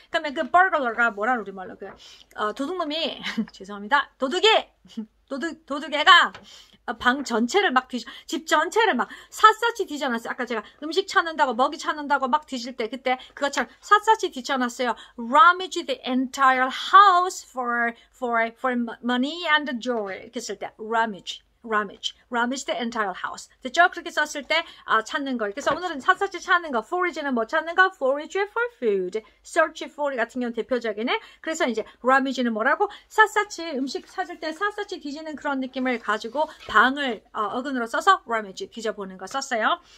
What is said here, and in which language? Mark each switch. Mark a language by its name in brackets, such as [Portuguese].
[Korean] 그러면 그 burglar가 뭐라 우리말로 그 도둑놈이 죄송합니다. 도둑이 도둑애가 방 전체를 막 뒤져, 집 전체를 막 샅샅이 뒤져놨어요. 아까 제가 음식 찾는다고, 먹이 찾는다고 막 뒤질 때, 그때 그것처럼 샅샅이 뒤져놨어요. [English] Rummage the entire house for money and jewelry. [Korean] 이렇게 쓸 때, [English] rummage the entire house. [Korean] 됐죠? 그렇게 썼을 때, 아, 찾는 걸. 그래서 오늘은 샅샅이 찾는 거, forage는 뭐 찾는 거? [English] Forage for food. [Korean] Search for 같은 경우 대표적이네. 그래서 이제 rummage는 뭐라고? 샅샅이 음식 찾을 때 샅샅이 뒤지는 그런 느낌을 가지고 방을 어근으로 써서 rummage 뒤져보는 거 썼어요.